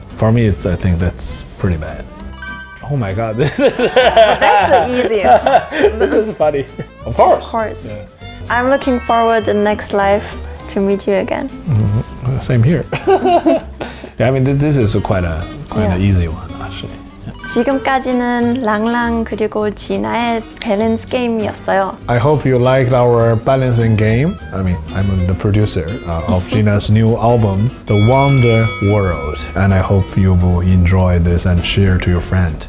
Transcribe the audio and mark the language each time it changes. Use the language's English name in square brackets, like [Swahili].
[English] for me, it's, I think that's pretty bad. Oh my god. That's easy. This is funny. Of course. Of course. Yeah. I'm looking forward in next life to meet you again. Mm-hmm. Same here. Yeah, I mean, this is quite an easy one, actually. Yeah. [Korean] 지금까지는 랑랑 그리고 진아의 밸런스 게임이었어요. [English] I hope you liked our balancing game. I mean, I'm the producer of Gina's new album, The Wonderworld. And I hope you will enjoy this and share to your friend.